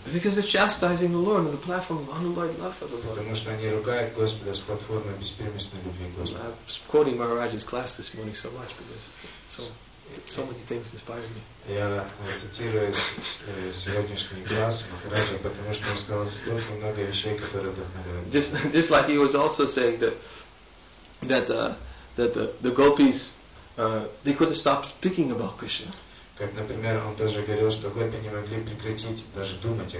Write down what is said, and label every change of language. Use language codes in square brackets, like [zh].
[en] Because they're chastising the Lord on the platform of unalloyed love for the Lord. [ru] Потому что они ругают Господа с платформы беспримесной любви к Господу. [en] I'm quoting Maharaj's class this morning so much because so many things inspired me. [ru] Я цитирую сегодняшний класс Махараджа, потому что он сказал столько много вещей, которые вдохновляют. [en] Just like he was also saying that the gopis. They couldn't stop speaking about Krishna. [ru] Как, например, он тоже говорил, что гопи не могли прекратить даже думать о